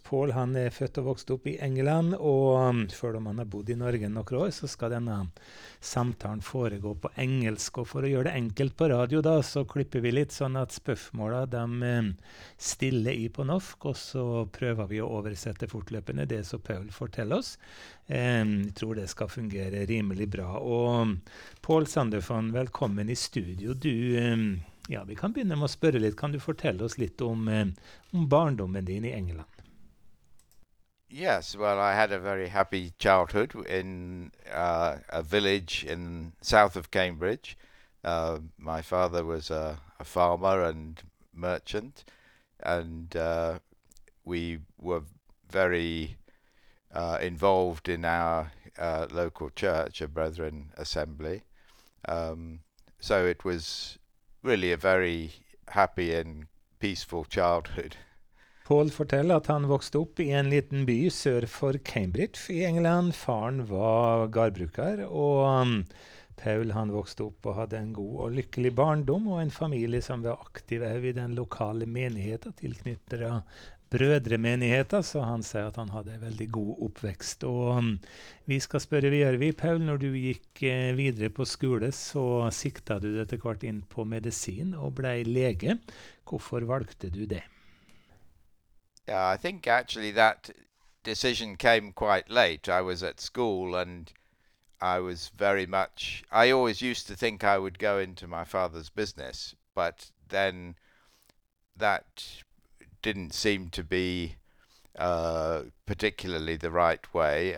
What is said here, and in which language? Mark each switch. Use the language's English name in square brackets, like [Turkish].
[Norwegian] Paul, han født og vokst opp I England, og før om han har bodd I Norge nok år, så skal denne samtalen foregå på engelsk, og for å gjøre det enkelt på radio da, så klipper vi litt sånn at spørsmålene de stiller I på norsk, og så prøver vi å oversette fortløpende det som Paul forteller oss. Jeg tror det skal fungere rimelig bra. Og Paul Saundersson, velkommen I studio. Du, ja, vi kan begynne med å spørre litt. Kan du fortelle oss litt om, om barndommen din I England? [English] Yes, well, I had a very happy childhood in a village in south of Cambridge. My father was a farmer and merchant, and we were very involved in our local church, a brethren assembly. So it was really a very happy and peaceful childhood. [Norwegian] Paul forteller at han vokste opp I en liten by sør for Cambridge I England. Faren var gardbruker, og Paul han vokste opp og hadde en god og lykkelig barndom og en familie som var aktiv I den lokale menigheten tilknyttet av brødremenigheten, så han sier at han hadde en veldig god oppvekst. Og vi skal spørre, hva gjør vi, Paul, når du gikk videre på skole, så sikta du etter hvert inn på medisin og ble lege. Hvorfor valgte du det? [English] I think actually that decision came quite late. I was at school and I was very much, I always used to think I would go into my father's business, but then that didn't seem to be particularly the right way.